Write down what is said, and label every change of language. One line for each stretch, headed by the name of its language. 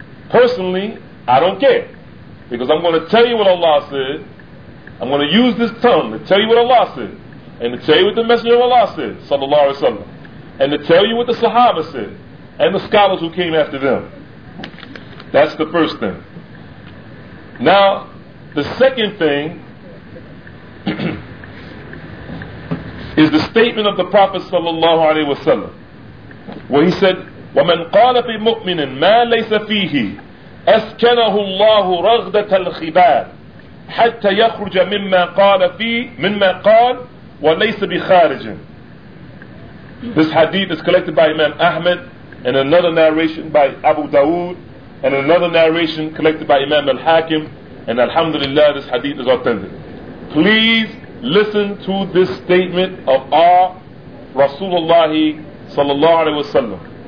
English: Personally, I don't care. Because I'm going to tell you what Allah said. I'm going to use this tongue to tell you what Allah said. And to tell you what the Messenger of Allah said, sallallahu alaihi wasallam. And to tell you what the Sahaba said. And the scholars who came after them. That's the first thing. Now, the second thing is the statement of the Prophet sallallahu alaihi wasallam, where he said,
Arabic: وَمَنْ قَالَ فِي مُؤْمِنٍ مَا لَيْسَ فِيهِ أَسْكَنَهُ اللَّهُ رَغْدَةَ الْخِبَابِ حَتَّى يَخْرُجَ مِمَّا قَالَ فِيهِ مِمَّا قَالَ وَلَيْسَ بِخَارِجٍ.
English: This hadith is collected by Imam Ahmed, and another narration by Abu Dawood, and another narration collected by Imam Al-Hakim, and alhamdulillah, this hadith is authentic. Please listen to this statement of our Rasulullah sallallahu alaihi wasallam.